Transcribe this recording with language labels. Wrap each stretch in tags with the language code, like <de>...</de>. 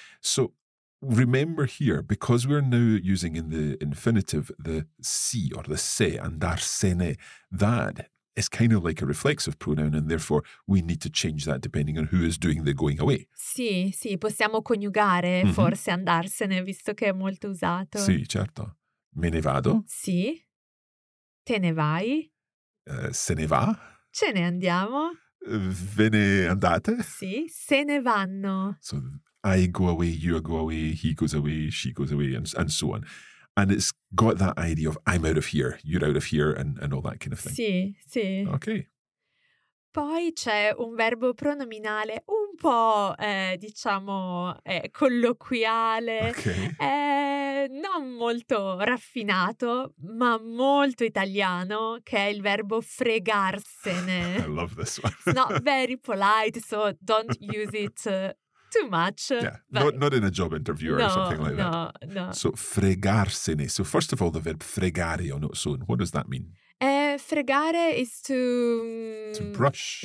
<en>So remember here, because we're now using in the infinitive the si or the se, andarsene, that is kind of like a reflexive pronoun, and therefore we need to change that depending on who is doing the going away.</en> <it>Sì, sì, possiamo coniugare forse andarsene, visto che è molto usato. Sì, certo. Me ne vado. Sì. Te ne vai. Se ne va. Ce ne andiamo. Ve ne andate. Sì, se ne vanno.</it> <en>So I go away, you go away, he goes away, she goes away, and so on. And it's got that idea of I'm out of here, you're out of here, and all that kind of thing.</en> <it>Sì, sì.</it> <en>Okay.</en> <it>Poi c'è un verbo pronominale un po', diciamo, colloquiale, non molto raffinato, ma molto italiano, che è il verbo fregarsene.</it> <en>I love this one. It's not very polite, so don't use it too much. Yeah, not in a job interview or something like that. No. So fregarsene. So first of all, the verb fregare on its own, what does that mean? Fregare is to... to brush.</en>